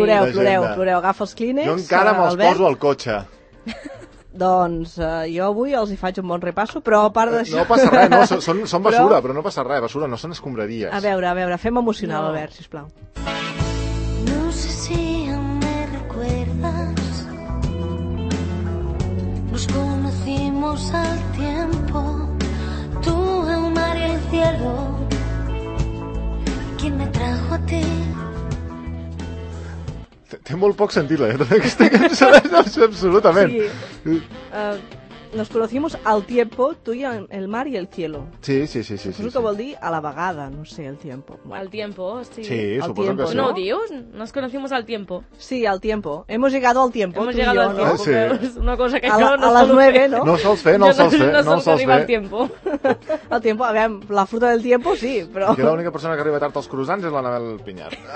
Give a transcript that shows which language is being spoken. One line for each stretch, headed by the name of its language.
Catalan: Ploreu, agafa els clínex. Jo encara me'ls poso al cotxe. Doncs jo avui els hi faig un bon repasso, però a part d'això... No passa res, no, són basura, però no passa res, basura, no són escombraries. A veure, fem emocional, a veure, sisplau.
Spanish: No sé si em recuerdas, nos conocimos al tiempo, tú, el mar y el cielo, ¿quién me trajo a ti?
Catalan: Té molt poc sentit, la lletra d'aquesta cançó, absolutament. Sí.
Spanish: Nos conocimos al tiempo, tú y el mar y el cielo.
Catalan: Sí, sí, sí. Suposo que vol dir a la vegada, no sé, el tiempo. Al tiempo, sí. Sí, suposo que sí. No, dius?
Spanish: Nos conocimos al tiempo. Sí, al tiempo. Hemos llegado al tiempo, tú y yo, ¿no? Hemos llegado al tiempo, sí.
Catalan: Una cosa que a jo no fer. A les 9, no? No sols fer, no sols fer. Jo no sols arribar al tiempo. Al tiempo, a veure, la fruta del tiempo, sí, però... Jo l'única persona que arriba tard als croissants és l'Anabel Pinyar.